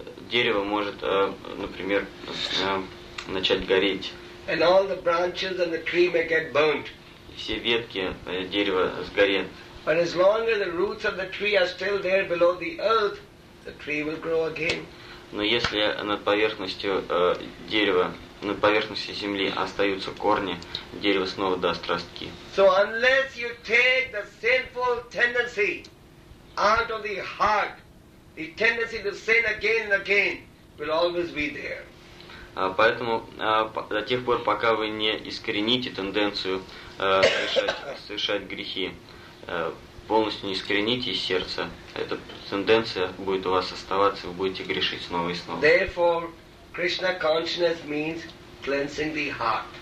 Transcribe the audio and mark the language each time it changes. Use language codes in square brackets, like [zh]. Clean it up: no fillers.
[ru] Дерево может, например, начать гореть. [en] And all the branches of the tree may get burnt. [ru] Все ветки дерева сгорят. [en] But as long as the roots of the tree are still there below the earth, the tree will grow again. [ru] Но если над поверхностью дерева, над поверхностью земли остаются корни, дерево снова даст ростки. [en] So unless you take the sinful tendency out of the heart, the tendency to sin again and again will always be there. [ru] Поэтому до тех пор, пока вы не искорените тенденцию совершать грехи, полностью не искорените из сердца, эта тенденция будет у вас оставаться, вы будете грешить снова и снова. [en] Therefore, Krishna consciousness means cleansing the heart.